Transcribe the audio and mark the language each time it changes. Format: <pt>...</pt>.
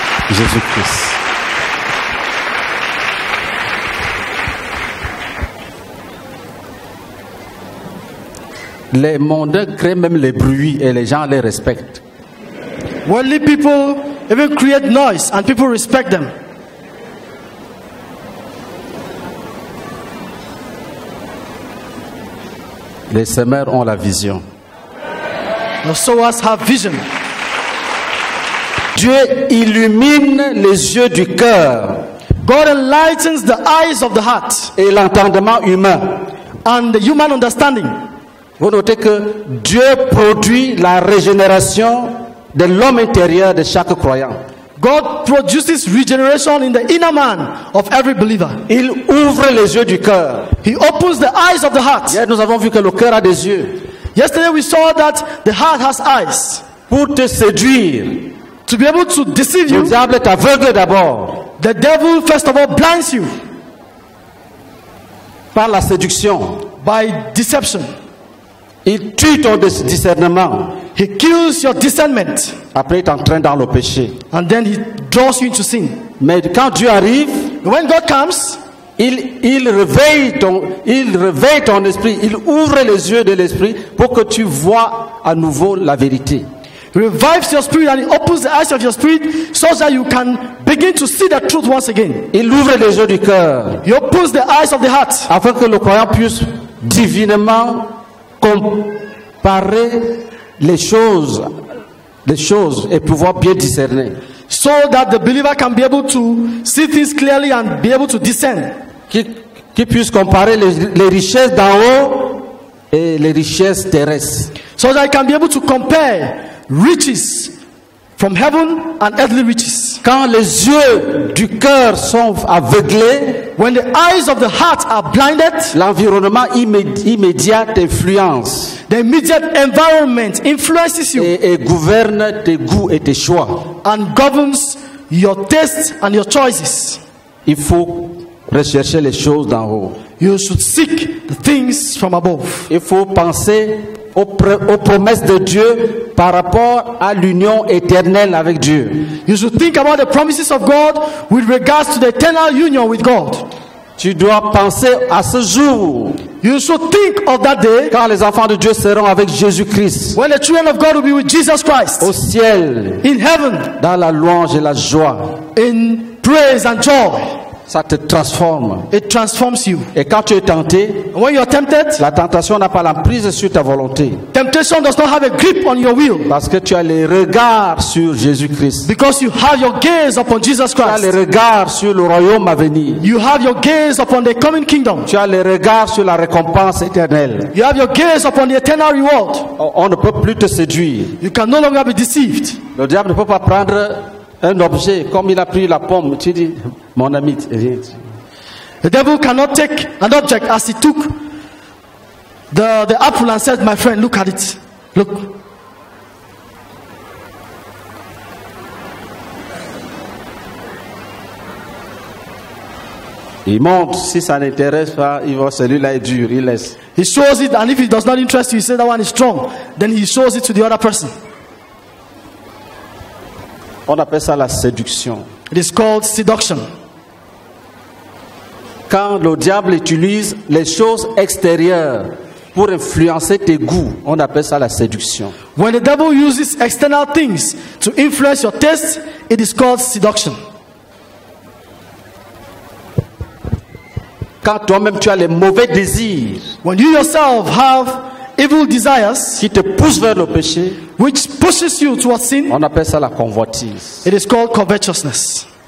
<fr>Jésus-Christ. Les mondains créent même les bruits et les gens les respectent.</fr> <en>Worldly people even create noise and people respect them.</en> <fr>Les semeurs ont la vision.</fr> <en>The sowers have vision.</en> <fr>Dieu illumine les yeux du cœur.</fr> <en>God enlightens the eyes of the heart.</en> <fr>Et l'entendement humain.</fr> <en>And the human understanding.</en> <fr>Vous notez que Dieu produit la régénération de l'homme intérieur de chaque croyant.</fr> <en>God produces regeneration in the inner man of every believer.</en> <fr>Il ouvre les yeux du cœur.</fr> <en>He opens the eyes of the heart.</en> <fr>Hier, nous avons vu que le cœur a des yeux.</fr> <en>Yesterday we saw that the heart has eyes.</en> <fr>Pour te séduire.</fr> <en>To be able to deceive you,</en> <fr>le diable t'aveugle d'abord.</fr> <en>The devil first of all blinds you.</en> <fr>Par la séduction.</fr> <en>By deception.</en> <fr>Il tue ton discernement.</fr> <en>He kills your discernment.</en> <fr>Après il t'entraîne dans le péché.</fr> <en>And then he draws you into sin.</en> <fr>Mais quand Dieu arrive,</fr> <en>when God comes,</en> <fr>il réveille ton esprit, il ouvre les yeux de l'esprit pour que tu vois à nouveau la vérité.</fr> <en>Revives your spirit and it opens the eyes of your spirit so that you can begin to see the truth once again.</en> <fr>Il ouvre les yeux du cœur.</fr> <en>He opens the eyes of the heart.</en> <fr>Afin que le croyant puisse divinement comparer les choses et pouvoir bien discerner.</fr> <en>So that the believer can be able to see things clearly and be able to discern.</en> <fr>Qui puisse comparer les richesses d'en haut et les richesses terrestres.</fr> <en>So that he can be able to compare riches from heaven and earthly riches.</en> <fr>Quand les yeux du cœur sont aveuglés,</fr> <en>when the eyes of the heart are blinded,</en> <fr>l'environnement immédiat t'influence.</fr> <en>The immediate environment influences you.</en> <fr>Et gouverne tes goûts et tes choix.</fr> <en>And governs your tastes and your choices.</en> <fr>Il faut rechercher les choses d'en haut.</fr> <en>You should seek the things from above.</en> <fr>Il faut penser aux promesses de Dieu par rapport à l'union éternelle avec Dieu.</fr> <en>You should think about the promises of God with regards to the eternal union with God.</en> <fr>Tu dois penser à ce jour.</fr> <en>You should think of that day.</en> <fr>Quand les enfants de Dieu seront avec Jésus-Christ.</fr> <en>When the children of God will be with Jesus Christ.</en> <fr>Au ciel.</fr> <en>In heaven.</en> <fr>Dans la louange et la joie.</fr> <en>In praise and joy.</en> <fr>Ça te transforme.</fr> <en>It transforms you.</en> <fr>Et quand tu es tenté,</fr> <en>when you are tempted,</en> <fr>la tentation n'a pas l'emprise sur ta volonté.</fr> <en>Temptation does not have a grip on your will.</en> <fr>Parce que tu as les regards sur Jésus-Christ.</fr> <en>Because you have your gaze upon Jesus Christ.</en> <fr>Tu as les regards sur le royaume à venir.</fr> <en>You have your gaze upon the coming kingdom.</en> <fr>Tu as les regards sur la récompense éternelle.</fr> <en>You have your gaze upon the eternal reward.</en> <fr>On ne peut plus te séduire.</fr> <en>You can no longer be deceived.</en> <fr>Le diable ne peut pas prendre un objet comme il a pris la pomme. Tu dis, mon ami, viens.</fr> <en>The devil cannot take an object as he took the apple and said, my friend, look at it. Look.</en> <fr>Il montre, si ça n'intéresse pas, il voit celui-là est dur, il laisse.</fr> <en>He shows it, and if it does not interest you, he says that one is strong. Then he shows it to the other person.</en> <fr>On appelle ça la séduction.</fr> <en>It is called seduction.</en> <fr>Quand le diable utilise les choses extérieures pour influencer tes goûts, on appelle ça la séduction.</fr> <en>When the devil uses external things to influence your taste, it is called seduction.</en> <fr>Quand toi-même tu as les mauvais désirs,</fr> <en>when you yourself have evil desires,</en> <fr>qui te poussent vers le péché,</fr> <en>which pushes you towards sin,</en> <fr>on appelle ça la convoitise.</fr> <en>It is called covetousness.</en>